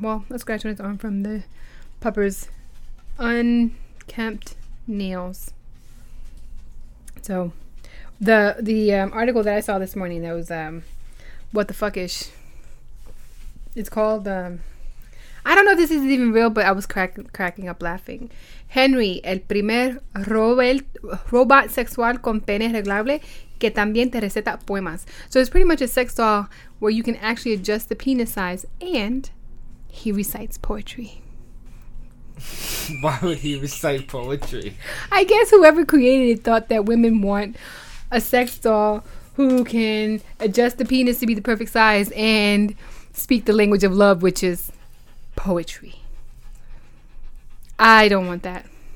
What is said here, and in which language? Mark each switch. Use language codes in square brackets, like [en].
[en] Well, a scratch on his arm from the pupper's unkempt nails. So, the article that I saw this morning that was, what the fuckish. It's called, I don't know if this is even real, but I was cracking up laughing. [es] Henry, el primer robot sexual con pene reglable que también te receta poemas. [en] So it's pretty much a sex doll where you can actually adjust the penis size and he recites poetry. Why would he recite poetry? I guess whoever created it thought that women want a sex doll who can adjust the penis to be the perfect size and speak the language of love, which is poetry. I don't want that.